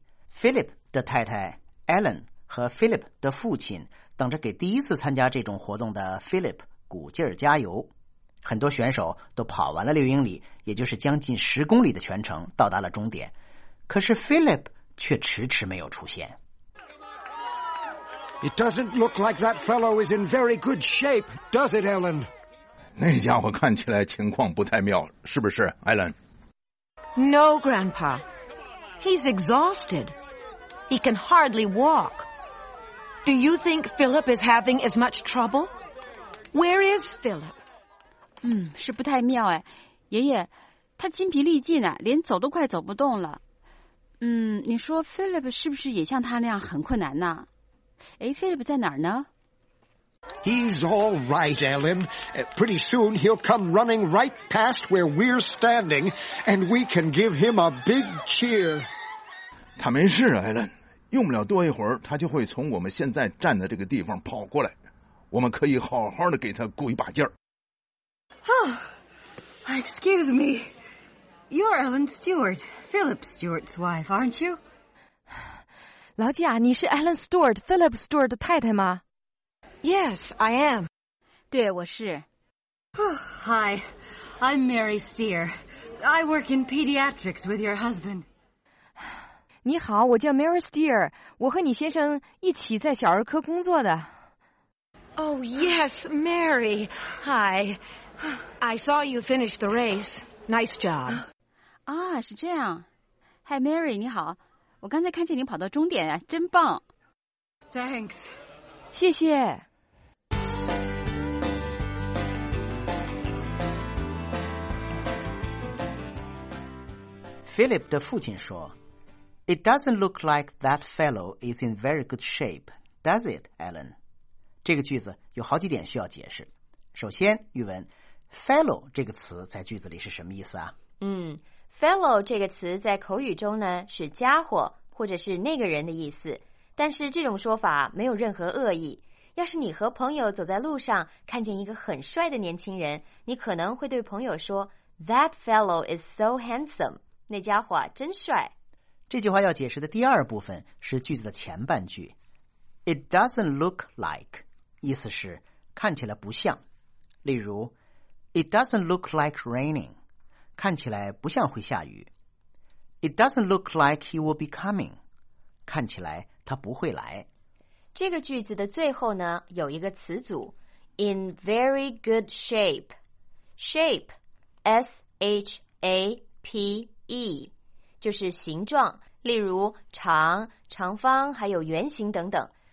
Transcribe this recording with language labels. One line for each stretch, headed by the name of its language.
Chinese: Philip 的太太 Ellen 和 Philip 的父亲等着给第一次参加这种活动的 Philip 鼓劲儿加油。很多选手都跑完了6英里，也就是将近10公里的全程，到达了终点。可是 Philip 却迟迟没有出现。
English: It doesn't look like that fellow is in very good shape, does it, Ellen?
Chinese: 那家伙看起来情况不太妙，是不是 ，Ellen？
English: No, Grandpa. He's exhausted. He can hardly walk. Do you think Philip is having as much trouble? Where is Philip?
Chinese: 是不太妙哎，爷爷，他筋疲力尽啊，连走都快走不动了。你说 Philip 是不是也像他那样很困难呢？哎 ，Philip 在哪儿呢？
English: He's all right, Ellen. Pretty soon he'll come running right past where we're standing, and we can give him a big cheer.
Chinese: 他没事，Ellen。用不了多一会儿，他就会从我们现在站的这个地方跑过来。我们可以好好的给他鼓一把劲儿。
English: Oh, excuse me. You're Ellen Stewart, Philip Stewart's wife, aren't you?
Chinese: 老贾，你是 Ellen Stewart, Philip Stewart 的太太吗？
English: Yes, I am.
Chinese: 对，我是。
English: Oh, hi, I'm Mary Steer. I work in pediatrics with your husband.
Chinese: 你好，我叫 Mary Steer. 我和你先生一起在小儿科工作的。
English: Oh, yes, Mary. Hi. I saw you finish the race. Nice job.
Chinese: 啊，是这样。Hi, Mary, 你好。我刚才看见你跑到终点啊，真棒。
English: Thanks.
Chinese: 谢谢。
English: Philip
Chinese: 的父亲说
English: It doesn't look like that fellow is in very good shape, does it, Ellen?
Chinese: 这个句子有好几点需要解释。首先，语文 fellow 这个词在句子里是什么意思啊？ Fellow 这个词在口语中呢，是家伙或者是那个人的意思。但是这种说法没有任何恶意。要是你和朋友走在路上，看见一个很帅的年轻人，你可能会对朋友说
English: That fellow is so handsome.
Chinese: 那家伙、真帅。这句话要解释的第二部分是句子的前半句
English: It doesn't look like
Chinese: 意思是看起来不像。例如
English: It doesn't look like raining
Chinese: 看起来不像会下雨。
English: It doesn't look like he will be coming
Chinese: 看起来他不会来。这个句子的最后呢有一个词组
English: In very good shape
Chinese: Shape S-H-A-P-E 就是形状，例如长、长方还有圆形等等。